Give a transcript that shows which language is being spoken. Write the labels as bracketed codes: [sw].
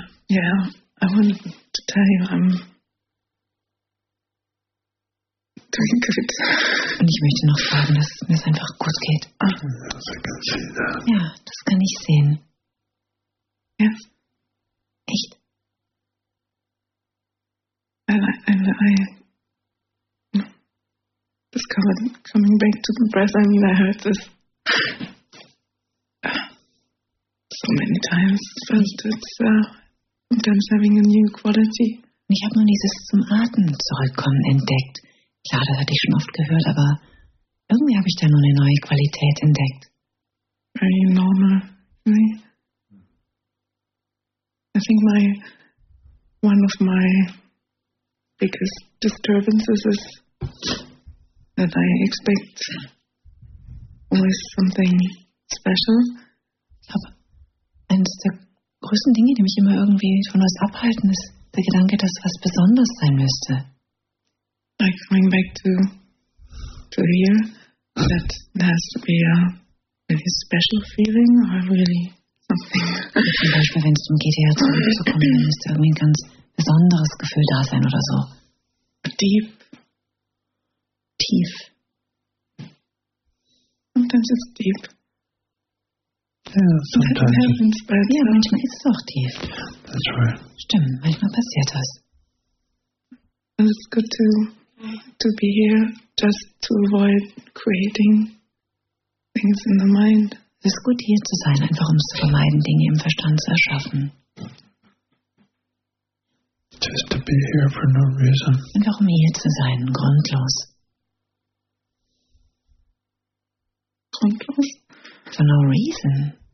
[en] Yeah, I wanted to tell you I'm doing good. [de] Und ich möchte noch fragen, dass es mir einfach gut geht. [en] Oh. Yes, I can see [de] that. Ja, das kann ich sehen. [en] Yes. [de] Echt? [en] I discovered coming back to the breath. I mean, I heard this so many times, but it's sometimes having a new quality. [de] Ich habe nur dieses zum Atmen zurückkommen entdeckt. Klar, das hatte ich schon oft gehört, aber irgendwie habe ich da nur eine neue Qualität entdeckt. [en] Very normal. Right? I think one of my biggest disturbances is that I expect always something special. [de] Aber eines der größten Dinge, die mich immer irgendwie von was abhalten, ist der Gedanke, dass was besonders sein müsste. [en] Like going back to here, that has to be a really special feeling or really something. [de] Zum Beispiel, wenn es um GTA zurückzukommen, dann müsste irgendwie ein ganz besonderes Gefühl da sein oder so. [en] Deep. [de] Tief. [en] Sometimes it's deep. Yeah, [de] manchmal ist es auch tief. [en] That's right. [de] Stimmt, manchmal passiert das. [en] It's good to be here, just to avoid creating things in the mind. [de] Es ist gut, hier zu sein, einfach um es zu vermeiden, Dinge im Verstand zu erschaffen. [en] Just to be here for no reason. [de] Einfach um hier zu sein, grundlos. Grundlos? [en] For no reason.